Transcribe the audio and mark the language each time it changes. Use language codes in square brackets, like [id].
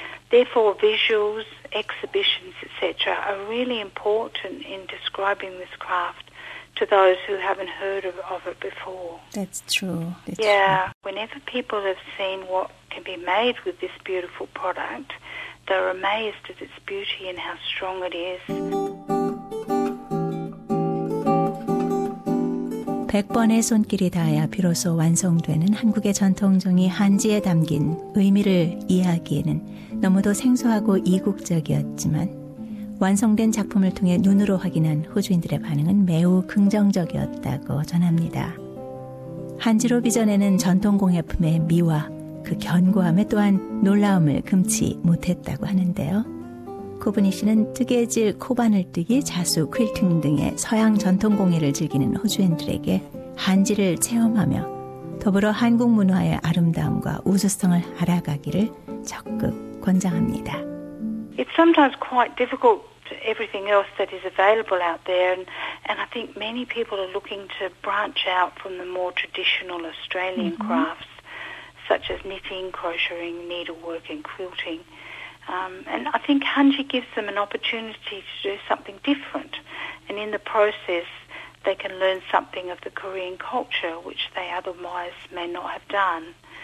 [en] Therefore, visuals, exhibitions, etc. are really important in describing this craft to those who haven't heard of it before. That's true. That's yeah. True. Whenever people have seen what can be made with this beautiful product, they're amazed at its beauty and how strong it is. [ko] 100번의 손길이 닿아야 비로소 완성되는 한국의 전통종이 한지에 담긴 의미를 이해하기에는 너무도 생소하고 이국적이었지만 완성된 작품을 통해 눈으로 확인한 호주인들의 반응은 매우 긍정적이었다고 전합니다. 한지로 빚어내는 전통공예품의 미와 그 견고함에 또한 놀라움을 금치 못했다고 하는데요. 코브니 씨는 뜨개질, 코바늘뜨기, 자수, 퀼팅 등의 서양 전통공예를 즐기는 호주인들에게 한지를 체험하며 더불어 한국 문화의 아름다움과 우수성을 알아가기를 적극 권장합니다. [en] It's sometimes quite difficult, everything else that is available out there, and I think many people are looking to branch out from the more traditional Australian crafts, such as knitting, crocheting, needlework and quilting. And I think Hanji gives them an opportunity to do something different, and in the process they can learn something of the Korean culture, which they otherwise may not have done.